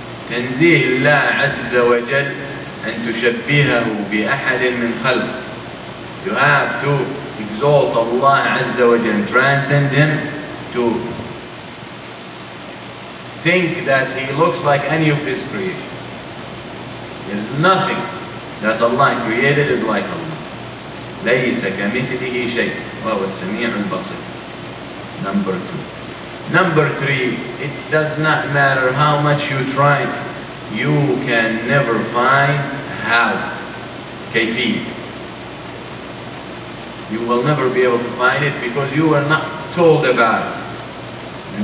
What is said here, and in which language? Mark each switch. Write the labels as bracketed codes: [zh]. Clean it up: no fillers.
[ar] تنزيه الله عز وجل أن تشبهه بأحد من خلق. [en] You have to exalt Allah عز وجل, transcend Him, to think that He looks like any of His creation. There is nothing that Allah created is like Allah. [ar] ليس كمثله شيء وهو السميع البصير. [en] Number two. Number three, it does not matter how much you try, you can never find how. [ar] كيفية. [en] You will never be able to find it because you were not told about it.